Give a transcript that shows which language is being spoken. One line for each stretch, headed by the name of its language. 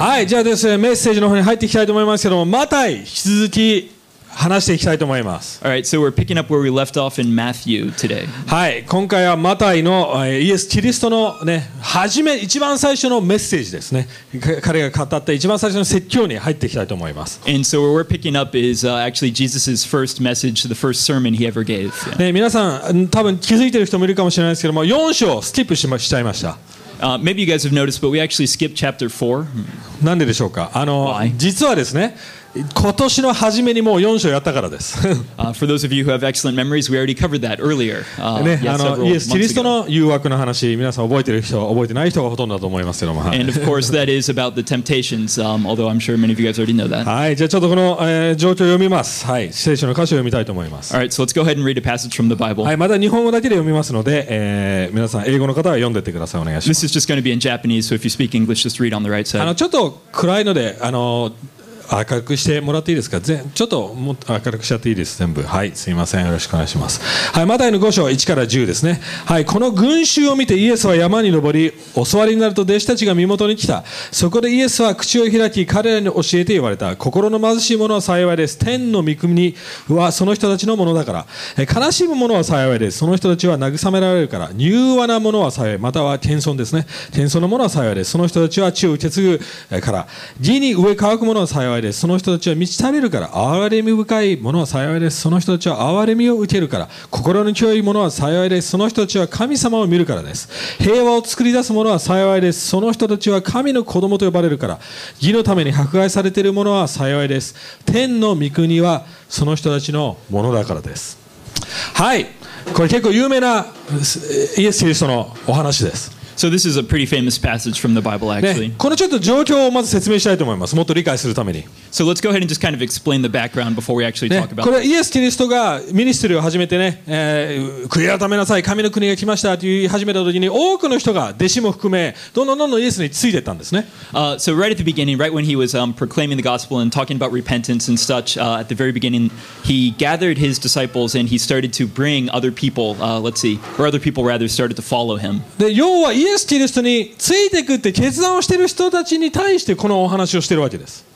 Japanese: はい、じゃあですね、メッセージの方に入っていきたいと思いますけども、マタイ引き続き話していきたいと思います。
English: All right, so we're picking up where we left off in Matthew today.
Japanese: はい、今回はマタイのイエス・キリストのね、一番最初のメッセージですね。彼が語った一番最初の説教に入っていきたいと思います。
English: And so where we're picking up is actually Jesus's first message, the first sermon he ever gave.
Japanese: ね、皆さん多分気づいてる人もいるかもしれないですけども、4章スキップしちゃいました。
English: Maybe you guys have noticed, but we actually skipped chapter 4.
Japanese: なんででしょうか。
English: Why?
Japanese: 実はですね、今年の初めにもう4章やったからです。
English: For those of you who have excellent memories, we already covered that earlier.
Japanese: イエス・キリストの誘惑の話、皆さん覚えてる人、覚えてない人がほとんどだと思いますけども。
English: And of course, that is about the temptations, although I'm sure many of you guys already know that.
Japanese: はい、じゃあちょっとこの、状況を読みます。はい、聖書の箇所を読みたいと思います。
English: All right, so let's go ahead and read a passage from the Bible.
Japanese: はい、まだ日本語だけで読みますので、皆さん英語の方は読んでてください。お願いします。
English: This is just going to be in Japanese, so if you speak English, just read on the right side.
Japanese: ちょっと暗いので、明るくしてもらっていいですか。ちょっともっと明るくしちゃっていいです。全部。はい、すいません。よろしくお願いします。はい、マタイの5章1から10ですね。はい、この群衆を見てイエスは山に登り、教わりになると弟子たちが身元に来た。そこでイエスは口を開き、彼らに教えて言われた。心の貧しい者は幸いです。天の御国はその人たちのものだから。悲しむ者は幸いです。その人たちは慰められるから。柔和な者は幸い。または謙遜ですね。謙遜の者は幸いです。その人たちは地を受け継ぐから。義に飢え渇く者は幸いです。その人たちは満ち足りるから、憐れみ深いものは幸いです。その人たちは憐れみを受けるから、心の清いものは幸いです。その人たちは神様を見るからです。平和を作り出すものは幸いです。その人たちは神の子供と呼ばれるから、義のために迫害されているものは幸いです。天の御国はその人たちのものだからです。はい、これ結構有名なイエス・キリストのお話です。
English: So this is a pretty famous passage from the Bible, actually.
Japanese: このちょっと状況をまず説明したいと思います。もっと理解するために。
English: So let's go ahead and just kind of explain the background before we actually talk about it.
Japanese: これはイエス・キリストがミニストリーを始めてね、悔い改めなさい、神の国が来ましたと言い始めた時に、多くの人が弟子も含め、どんどんどんどんイエスについてったんですね。
English: So right at the beginning, right when he was proclaiming the gospel and talking about repentance and such, at the very beginning, he gathered his disciples and he started to bring other people, other people rather started to follow him.
Japanese: で、要はイエス・キリストについていくって決断をしている人たちに対してこのお話をしているわけです。